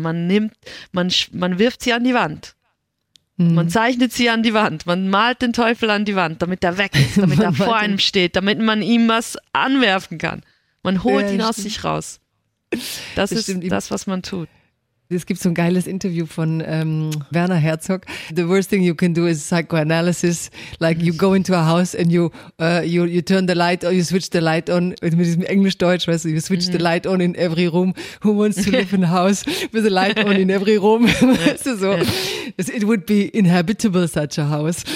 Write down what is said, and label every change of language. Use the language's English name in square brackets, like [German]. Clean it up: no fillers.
[German] Man nimmt, man wirft sie an die Wand. Man zeichnet sie an die Wand. Man malt den Teufel an die Wand, damit er weg ist, damit er vor einem steht, damit man ihm was anwerfen kann. Man holt ihn aus sich raus. Das ist das, was man tut. Es gibt so ein geiles Interview von Werner Herzog. [English] The worst thing you can do is psychoanalysis. Like you go into a house and you turn the light on, you switch the light on. [German] Mit diesem Englisch-Deutsch, weißt du, [English] you switch the light on in every room. Who wants to live in a house with a light on in every room? [German] Weißt du, so. [English] It would be inhabitable, such a house.